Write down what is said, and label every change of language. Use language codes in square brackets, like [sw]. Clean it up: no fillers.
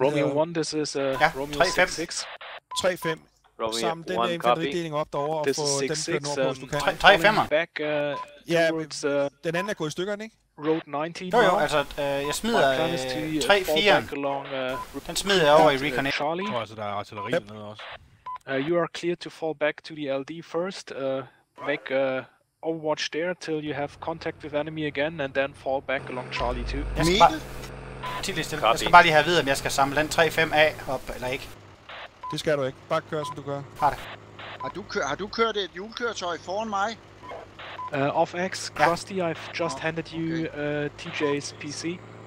[en] Romeo 1, this is Romeo 6-6. 3-5. [da] Samle den der infanteridelning op derovre, og få den kørt nordpå, hvis du kan. 3-5'er. Ja, den anden er gået i stykker, ikke? [en] Road 19. [da] Jo, altså, jeg smider 3-4'eren. Den smider jeg over i Recon 8. Jeg tror altså, der er artilleri yep. Nede også. [en] You are cleared to fall back to the LD first. Make overwatch there till you have contact with enemy again, and then fall back along Charlie 2. [da] Jeg skal bare lige have at vide, om jeg skal samle den 3-5'a op, eller ikke. Det skal du ikke. Bare køre, som du gør. Har det. Har du kørt et hjulkøretøj foran mig? [en] Off X, Krusty, ja. I've just handed you TJ's PC.